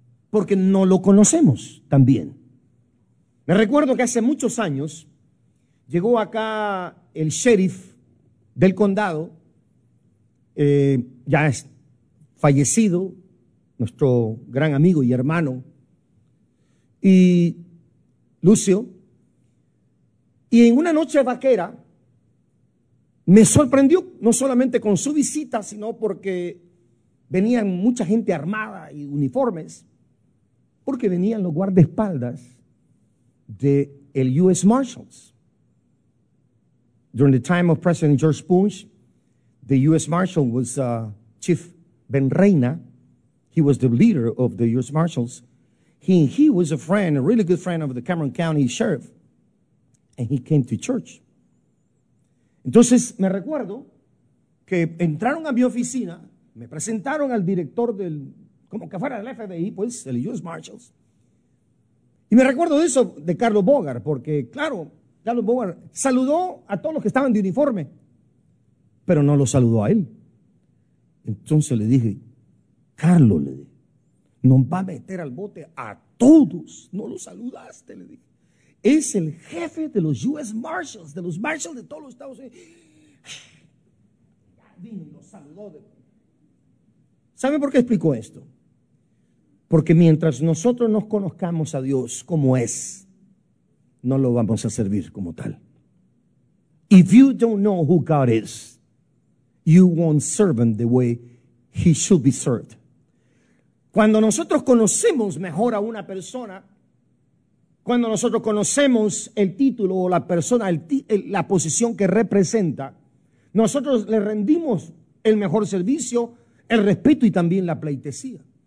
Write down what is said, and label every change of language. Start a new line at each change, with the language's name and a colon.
Spanish: Porque no lo conocemos también. Me recuerdo que hace muchos años llegó acá el sheriff del condado, ya es fallecido, nuestro gran amigo y hermano, y Lucio, y en una noche vaquera me sorprendió, no solamente con su visita, sino porque venían mucha gente armada y uniformes, porque venían los guardaespaldas de el U.S.
English: Marshals. During the time of President George Bush, the U.S. Marshal was Chief Ben Reina. He was the leader of the U.S. Marshals. He was a friend, a really good friend of the Cameron County Sheriff, and he came to church.
Spanish: Entonces, me recuerdo que entraron a mi oficina, me presentaron al director del, como que fuera el FBI, pues, el U.S. Marshals. Y me recuerdo de eso de Carlos Bogart, porque, claro, Carlos Bogart saludó a todos los que estaban de uniforme, pero no lo saludó a él. Entonces le dije, Carlos, le dije, nos va a meter al bote a todos. No lo saludaste, le dije. Es el jefe de los U.S. Marshals, de los Marshals de todos los Estados Unidos. Ya vino y lo saludó. ¿Sabe por qué explico esto? Porque mientras nosotros nos conozcamos a Dios como es, no lo vamos a servir como tal.
English: If you don't know who God is, you won't serve him the way he should be served.
Spanish: Cuando nosotros conocemos mejor a una persona, cuando nosotros conocemos el título o la persona, la posición que representa, nosotros le rendimos el mejor servicio, el respeto y también la pleitesía.